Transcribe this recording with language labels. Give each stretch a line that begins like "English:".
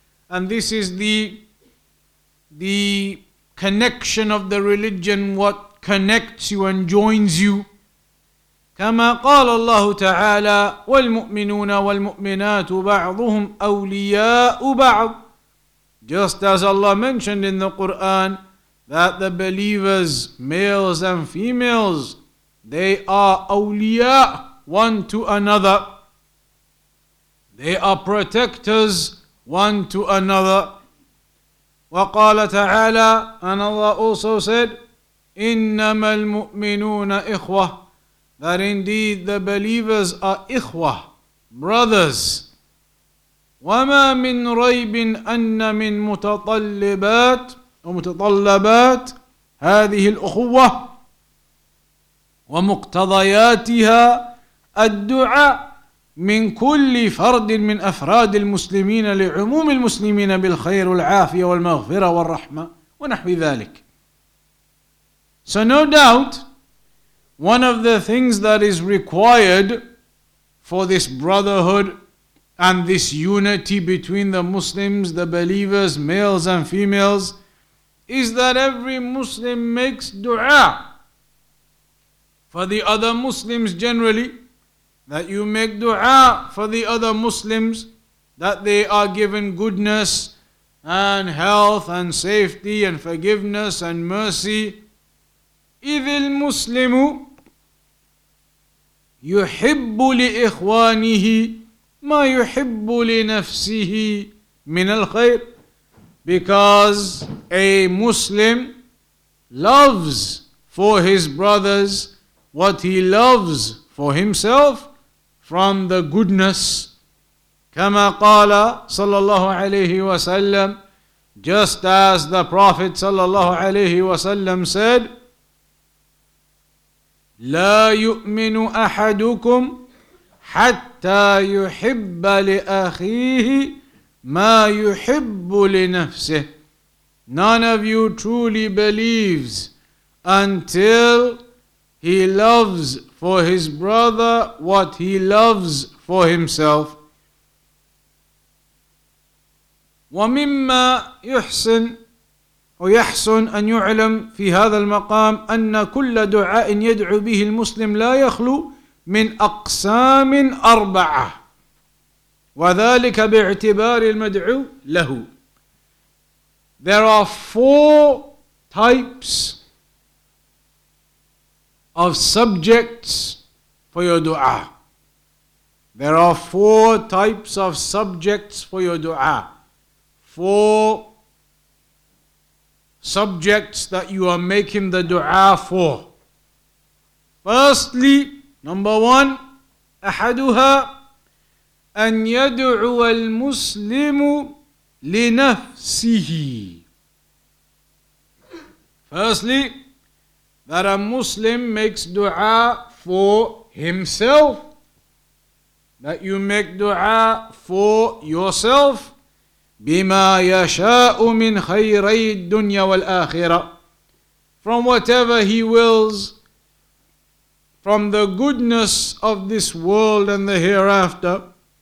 English: And this is the connection of the religion, what connects you and joins you.
Arabic: كما قال الله تعالى والمؤمنون والمؤمنات بعضهم أولياء بعض.
English: Just as Allah mentioned in the Quran that the believers, males and females, they are awliya one to another. They are protectors one to another.
Arabic: وقال تعالى,
English: and Allah also said,
Arabic: إنما المؤمنون إخوة,
English: that indeed the believers are إخوة, brothers.
Arabic: وما من ريب أن من متطلبات ومتطلبات هذه الأخوة ومقتضياتها الدعاء من كل فرد من أفراد المسلمين لعموم المسلمين بالخير والعافية والمغفرة والرحمة ونحو ذلك.
English: So no doubt, one of the things that is required for this brotherhood and this unity between the Muslims, the believers, males and females, is that every Muslim makes dua for the other Muslims generally, that you make dua for the other Muslims, that they are given goodness and health and safety and forgiveness and mercy.
Arabic: إِذِ الْمُسْلِمُ يُحِبُّ لِإِخْوَانِهِ مَا يُحِبُّ لِنَفْسِهِ مِنَ الْخَيْرِ.
English: Because a Muslim loves for his brothers what he loves for himself from the goodness.
Arabic: كما قال صلى الله عليه وسلم,
English: just as the Prophet
Arabic: صلى الله عليه وسلم said, لا يؤمن أحدكم حتى يحب لأخيه ما يحب لنفسه.
English: None of you truly believes until he loves for his brother what he loves for himself.
Arabic: وَمِمَّا يُحْسِنْ وَيَحْسُنْ أَنْ يُعْلَمْ فِي هَذَا الْمَقَامِ أَنَّ كُلَّ دُعَاءٍ يَدْعُو بِهِ الْمُسْلِمْ لَا يَخْلُو مِنْ أَقْسَامٍ أَرْبَعَةٍ وَذَلِكَ بِاعْتِبَارِ الْمَدْعُو لَهُ.
English: There are four types of subjects for your dua. There are four types of subjects for your dua. Four subjects that you are making the dua for. Firstly, number one,
Arabic: أحدها أن يدعو المسلم لنفسه.
English: Firstly, that a Muslim makes dua for himself, that you make dua for yourself,
Arabic: bima yasha'u min khayri dunya wal akhirah,
English: from whatever he wills, from the goodness of this world and the hereafter.